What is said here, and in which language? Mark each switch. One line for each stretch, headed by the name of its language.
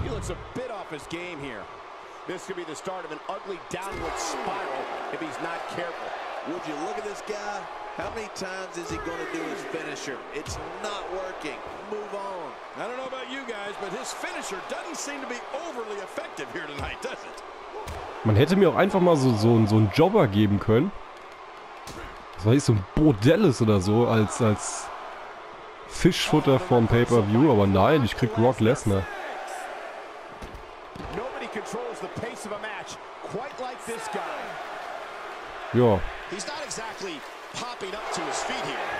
English: He looks a bit off his game here. This could be the start of an ugly downward spiral if he's not careful. Would you look at this guy? How many times is he going to do his finisher? It's not working. Move on. I don't know about you guys, but his finisher doesn't seem to be overly effective here tonight, does it?
German: Man hätte mir auch einfach mal so einen Jobber geben können. Das war jetzt so ein Bordellis oder so als Fischfutter vom Pay-Per-View, aber nein, ich krieg Brock Lesnar.
English: Nobody controls the pace of a match quite like this guy. Ja. He's not exactly popping up to his feet here.